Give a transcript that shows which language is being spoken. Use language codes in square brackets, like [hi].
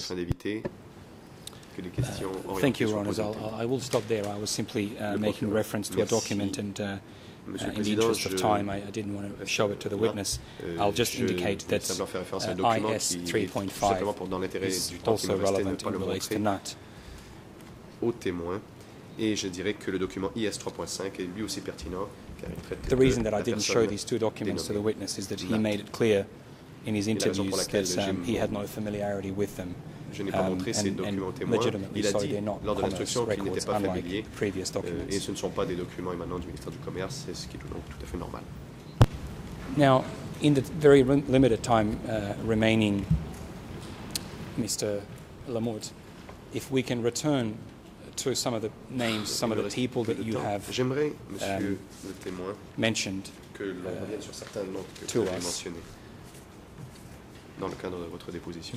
[fr] Afin d'éviter que les questions [en] thank you, Your Honor. I will stop there. I was simply making reference to [fr] Merci. [en] A document and in the interest of time, I didn't want to show it to the witness. I'll just indicate that IS 3.5 is also relevant and relates to NAT. [fr] Au témoin, et je dirais que le document IS 3.5 est lui aussi pertinent car il traite [en] The reason that I didn't show these two documents to the witness is that he made it clear in his interviews that he had no familiarity with them. [fr] Je n'ai pas montré ces documents au témoin. Il a dit lors de l'instruction qu'il n'était pas familier et ce ne sont pas des documents émanant du ministère du Commerce, c'est ce qui est donc tout à fait normal. [en] Now, in the very limited time remaining, Mr. Lamotte, if we can return to some of the names, some of the people that you have mentioned [fr] que l'on revienne sur certains noms que vous avez mentionnés dans le cadre de votre déposition.